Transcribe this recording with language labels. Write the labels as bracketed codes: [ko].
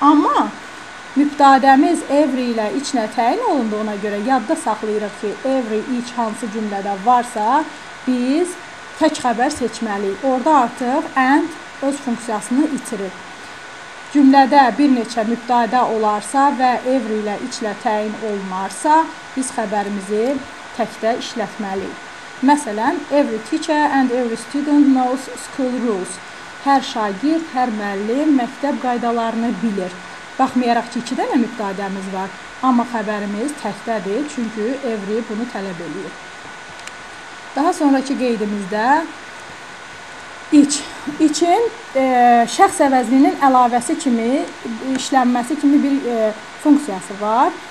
[az] Amma mübtədəmiz every ilə each ilə təyin olunduğuna görə yadda saxlayırıq ki, every, each hansı cümlədə varsa biz tək xəbər seçməliyik. Orada artıq and öz funksiyasını itirir. Cümlədə bir neçə mübtədə olarsa və every ilə each ilə təyin olunarsa, biz xəbərimizi təkdə işlətməliyik. [en] Məsələn, every teacher and every student knows school rules. [az] Hər şagird, hər müəllim məktəb qaydalarını bilir. Baxmayaraq ki, iki dənə mübtədəmiz var, amma xəbərimiz təkdədir, çünki every bunu tələb edir. Daha sonraki qeydimizdə iç. İçin şəxs əvəzliyinin əlavəsi kimi, işlənməsi kimi bir funksiyası var.